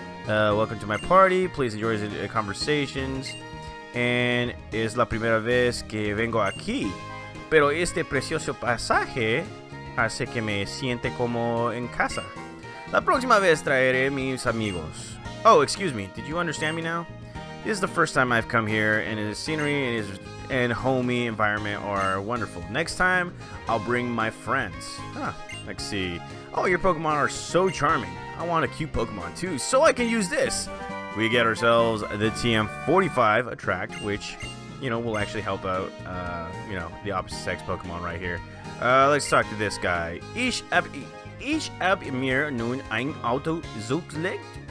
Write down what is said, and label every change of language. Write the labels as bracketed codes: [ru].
[en] Welcome to my party, please enjoy the conversations. [es] And es la primera vez que vengo aquí, pero este precioso pasaje hace que me siente como en casa. La próxima vez traeré mis amigos. [en] Oh, excuse me, did you understand me now? This is the first time I've come here, and the scenery and homey environment are wonderful. Next time, I'll bring my friends. Huh, let's see. Oh, your Pokemon are so charming. I want a cute Pokemon too, so I can use this. We get ourselves the TM45 attract, which, you know, will actually help out, you know, the opposite sex Pokemon right here. Let's talk to this guy. [de] Ich hab mir nun ein Auto zugelegt.